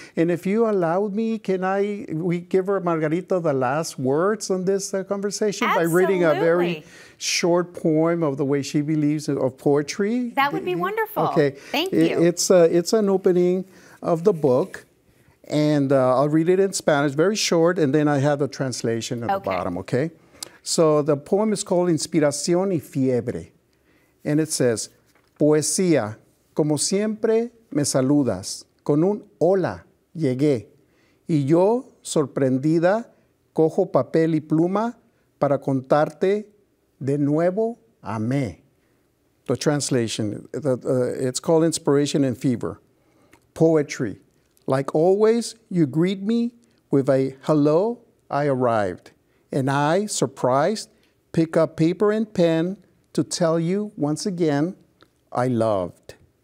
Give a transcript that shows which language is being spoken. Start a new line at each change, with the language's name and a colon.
English: And if you allow me, can we give her, Margarita, the last words on this conversation? Absolutely. By reading a very short poem of the way she believes of poetry? That would be wonderful. Okay. Thank you. It's an opening of the book, and I'll read it in Spanish, very short, and then I have the translation at the bottom, okay? So the poem is called
Spanish: Inspiración y Fiebre,
English: and it says,
Spanish: poesía, como siempre, me saludas con un hola, llegué, y yo, sorprendida, cojo papel y pluma para contarte de nuevo, amé.
English: The translation, it's called Inspiration and Fever. Poetry, like always, you greet me with a hello, I arrived, and I, surprised, pick up paper and pen to tell you once again, I loved.